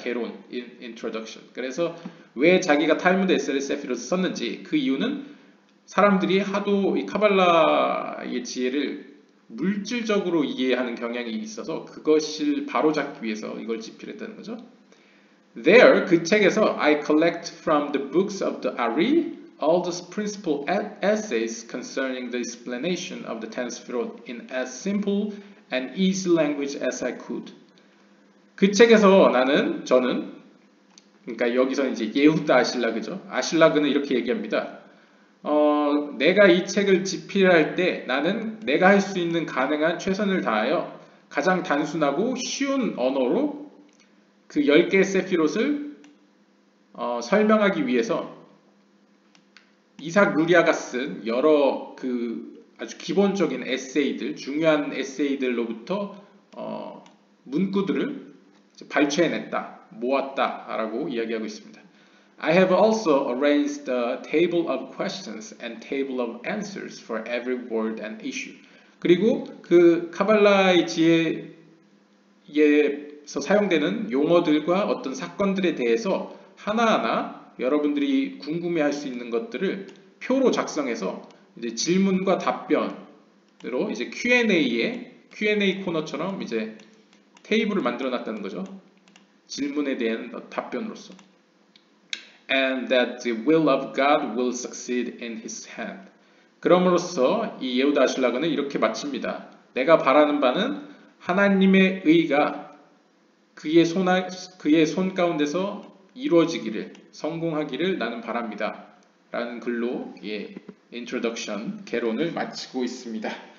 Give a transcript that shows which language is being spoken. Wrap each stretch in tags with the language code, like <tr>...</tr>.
<ko>개론, Introduction. 그래서 왜 자기가 탈무드 에세르 세피롯을 썼는지 그 이유는 사람들이 하도 이 카발라의 지혜를 물질적으로 이해하는 경향이 있어서 그것을 바로잡기 위해서 이걸 집필했다는 거죠.</ko> <en>There,</en> <ko>그 책에서</ko> <en>I collect from the books of the Ari all the principal essays concerning the explanation of the Ten Sefirot in as simple and easy language as I could.</en> <ko>그 책에서 나는, 저는, 그러니까 여기서 이제 예후다 아실라그죠. 아실라그는 이렇게 얘기합니다. 내가 이 책을 집필할 때 나는 내가 할 수 있는 가능한 최선을 다하여 가장 단순하고 쉬운 언어로 그 10개의 세피롯을 설명하기 위해서 이삭 루리아가 쓴 여러 그 아주 기본적인 에세이들, 중요한 에세이들로부터 문구들을 발췌해냈다, 모았다라고 이야기하고 있습니다.</ko> <en>I have also arranged a table of questions and table of answers for every word and issue.</en> <ko>그리고 그 카발라의 지혜에서 사용되는 용어들과 어떤 사건들에 대해서 하나하나 여러분들이 궁금해할 수 있는 것들을 표로 작성해서 이제 질문과 답변으로 이제 Q&A의 Q&A 코너처럼 이제 테이블을 만들어놨다는 거죠. 질문에 대한 답변으로서.</ko> <en>And that the will of God will succeed in his hand.</en> <ko>그러므로써 이 예후다 아실라그는 이렇게 마칩니다. 내가 바라는 바는 하나님의 의가 그의 손 가운데서 이루어지기를, 성공하기를 나는 바랍니다. 라는 글로 예, introduction, 개론을 마치고 있습니다.</ko>